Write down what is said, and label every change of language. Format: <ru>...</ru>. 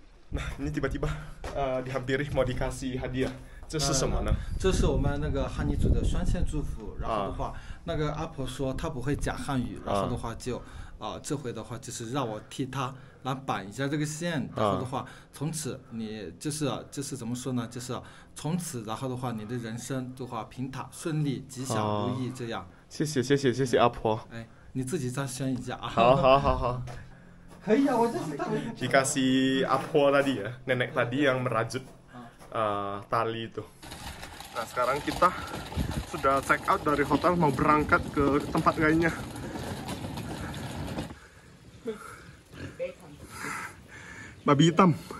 <id>Nah, ini tiba-tiba dihampiri mau dikasih hadiah.</id> <zh>这是什么呢？这是我们那个汉尼族的双线祝福。然后的话，那个阿婆说她不会讲汉语。然后的话就这回的话就是让我替她来绑一下这个线。然后的话，从此你就是怎么说呢？就是从此然后的话，你的人生的话平坦顺利吉祥如意这样。谢谢阿婆。哎，你自己再宣一下啊。好好好好。可以啊，我这是他们。你给阿婆那里，奶奶那里，让他们拉住。</zh> <id>Tali itu. Nah sekarang kita sudah check out dari hotel mau berangkat ke tempat lainnya. Babi hitam.</id>